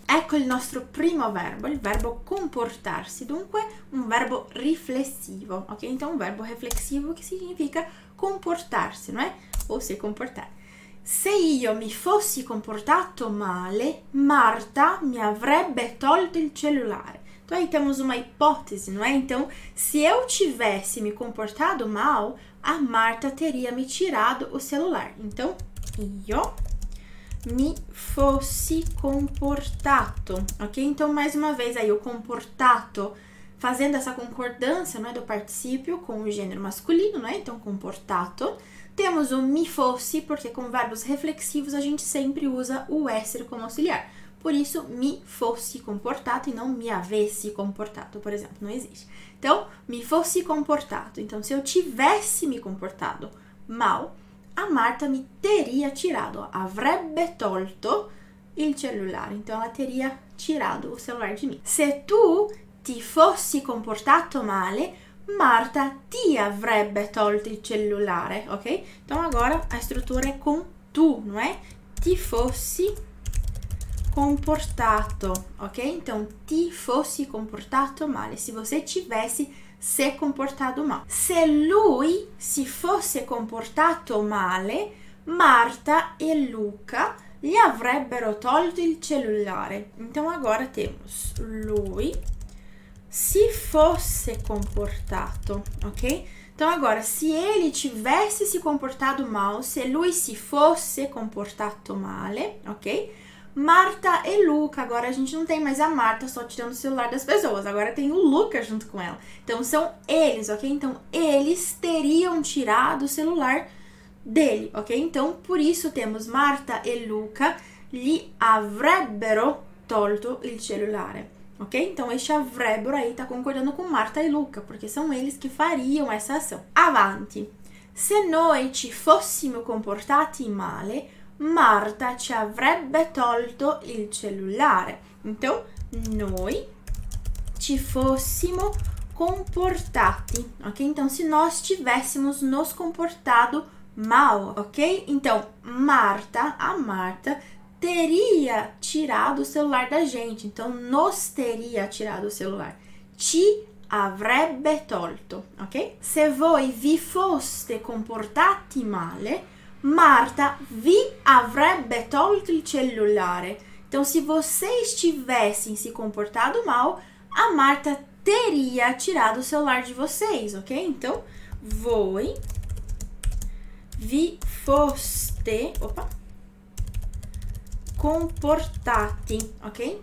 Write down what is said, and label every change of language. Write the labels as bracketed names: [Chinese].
[Italian] Ecco il nostro primo verbo, il verbo comportarsi, dunque un verbo riflessivo, ok? Quindi un verbo reflessivo che significa comportarsi, non è? Ossia comportare. Se io mi fossi comportato male, Marta mi avrebbe tolto il cellulare. [Portuguese] Então, temos uma hipótese, não é? Então, se eu tivesse me comportado mal, a Marta teria me tirado o celular. Então, eu me fosse comportado, ok? Então, mais uma vez aí, o comportado, fazendo essa concordância, não é, do particípio com o gênero masculino, não é? Então, comportado. Temos o me fosse, porque com verbos reflexivos a gente sempre usa o essere como auxiliar. Por isso, [Italian] me fosse comportato [Portuguese] e não [Italian] me avesse comportato, [Portuguese] por exemplo, não existe. Então, me fosse comportado. Então, se eu tivesse me comportado mal, a Marta me teria tirado, [Italian] avrebbe tolto il cellulare. [Portuguese] Então, ela teria tirado o celular de mim. [Italian] Se tu ti fossi comportato male, Marta ti avrebbe tolto il cellulare, ok? [Portuguese] Então, agora a estrutura é com tu, não é? [Italian] Ti fossi comportato, [Portuguese] ok? Então, [Italian] ti fossi comportato male, [Portuguese] se você tivesse se comportado mal. [Italian] Se lui si fosse comportato male, Marta e Luca gli avrebbero tolto il cellulare. [Portuguese] Então, agora temos [Italian] lui si fosse comportato, [Portuguese] ok? Então, agora, se ele tivesse se comportado mal, [Italian] se lui si fosse comportato male, [Portuguese] ok? [Italian] Marta e Luca. [Portuguese] Agora a gente não tem mais a Marta só tirando o celular das pessoas. Agora tem o Luca junto com ela. Então são eles, ok? Então eles teriam tirado o celular dele, ok? Então por isso temos [Italian] Marta e Luca gli avrebbero tolto il cellulare, [Portuguese] ok? Então esse avrebbero aí tá concordando com Marta e Luca, porque são eles que fariam essa ação. [Italian] Avanti. Se noi ci fossimo comportati male, Marta ci avrebbe tolto il cellulare. [Portuguese] Então, [Italian] noi ci fossimo comportati, [Portuguese] ok? Então, se nós tivéssemos nos comportado mal, ok? Então, a Marta teria tirado o celular da gente. Então, nos teria tirado o celular. [Italian] Ci avrebbe tolto, ok? Se voi vi foste comportati male, Marta vi avrebbe tolto il cellulare. [Portuguese] Então, se vocês tivessem se comportado mal, a Marta teria tirado o celular de vocês, ok? Então, [Italian] voi vi foste, [Portuguese] opa, comportati, ok?